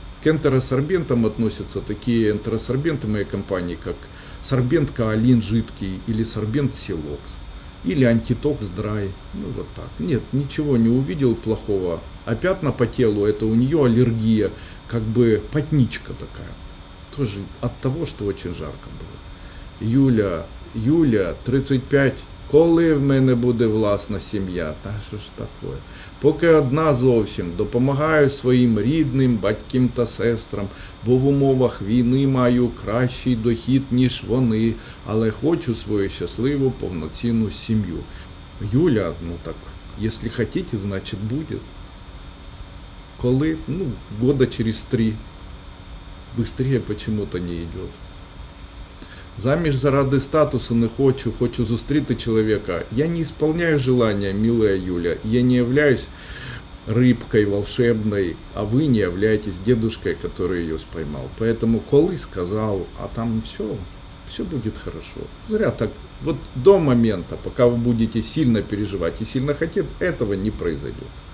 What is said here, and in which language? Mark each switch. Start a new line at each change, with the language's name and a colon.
Russian: К энтеросорбентам относятся такие энтеросорбенты моей компании, как сорбент каолин жидкий или сорбент силокс. Или антитокс драй. Ну вот так. Нет, ничего не увидел плохого. А пятна по телу, это у нее аллергия. Как бы потничка такая. Тоже от того, что очень жарко было. Юля, Юля, 35.
Ukrainian: Коли в мене буде власна сім'я? Та що ж такое? Поки одна зовсім. Допомагаю своїм рідним, батьким та сестрам. Бо в умовах війни маю кращий дохід, ніж вони. Але хочу свою щасливу, повноцінну сім'ю.
Russian: Юля, ну так, если хотите, значит будет.
Ukrainian: Коли,
Russian: ну, года через три, быстрее почему-то не идет.
Ukrainian: Заміж заради статусу не хочу, хочу зустріти
Russian: человека. Я не исполняю желания, милая Юля, я не являюсь рыбкой волшебной, а вы не являетесь дедушкой, который ее споймал. Поэтому
Ukrainian: коли
Russian: сказал, а там все, все будет хорошо. Зря так, вот до момента, пока вы будете сильно переживать и сильно хотеть, этого не произойдет.